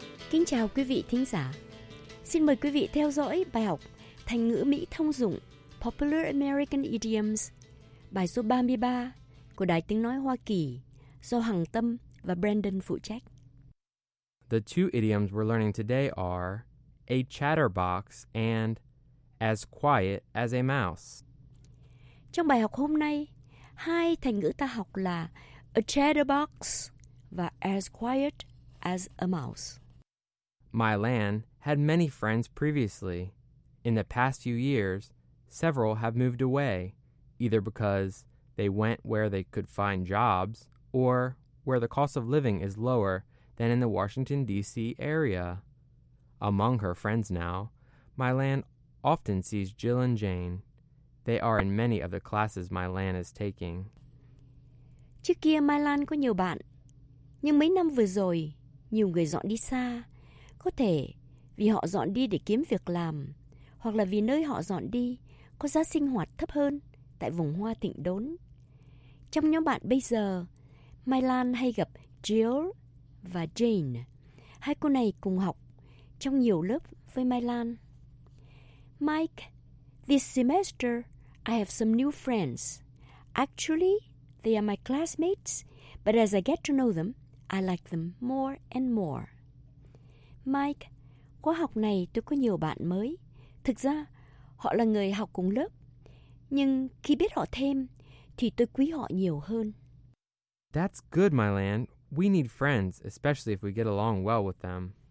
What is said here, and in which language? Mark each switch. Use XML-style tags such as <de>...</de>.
<vi>Kính chào quý vị thính giả. Xin mời quý vị theo dõi bài học thành ngữ Mỹ thông dụng</vi> <en>Popular American Idioms,</en> <vi>bài số 33 của Đài Tiếng Nói Hoa Kỳ do Hằng Tâm và Brandon phụ trách.</vi> <en>The two idioms we're learning today are a chatterbox and as quiet as a mouse.</en> <vi>Trong bài học hôm nay, hai thành ngữ ta học là</vi> <en>a chatterbox</en> <vi>và</vi> <en>as quiet as a mouse. My land had many friends previously. In the past few years, several have moved away, either because they went where they could find jobs or where the cost of living is lower than in the Washington, D.C. area. Among her friends now, my land often sees Jill and Jane. They are in many of the classes my land is taking.</en> <vi>Trước kia, my land có nhiều bạn. Nhưng mấy năm vừa rồi, nhiều người dọn đi xa. Có thể vì họ dọn đi để kiếm việc làm, hoặc là vì nơi họ dọn đi có giá sinh hoạt thấp hơn tại vùng hoa thịnh đốn. Trong nhóm bạn bây giờ, Mai Lan hay gặp Jill và Jane. Hai cô này cùng học trong nhiều lớp với Mai Lan.</vi> <en>Mike, this semester I have some new friends. Actually, they are my classmates, but as I get to know them, I like them more and more.</en> <vi>Mike, khóa học này tôi có nhiều bạn mới. Thực ra, họ là người học cùng lớp. Nhưng khi biết họ thêm, thì tôi quý họ nhiều hơn.</vi> <en>That's good, my land. We need friends, especially if we get along well with them.</en>